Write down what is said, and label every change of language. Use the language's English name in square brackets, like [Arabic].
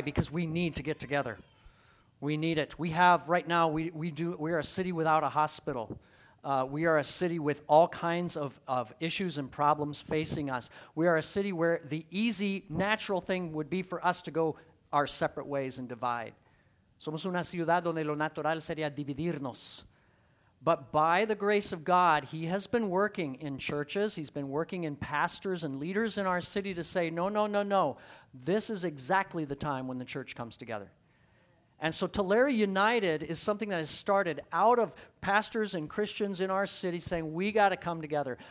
[English] Because we need to get together. We need it. We have, right now, we are a city without a hospital. We are a city with all kinds of issues and problems facing us. We are a city where the easy, natural thing would be for us to go our separate ways and divide. [Spanish] Somos una ciudad donde lo natural sería dividirnos. [English] But by the grace of God, he has been working in churches. He's been working in pastors and leaders in our city to say, no, no, no, no. This is exactly the time when the church comes together. And so Tulare United is something that has started out of pastors and Christians in our city saying, we got to come together.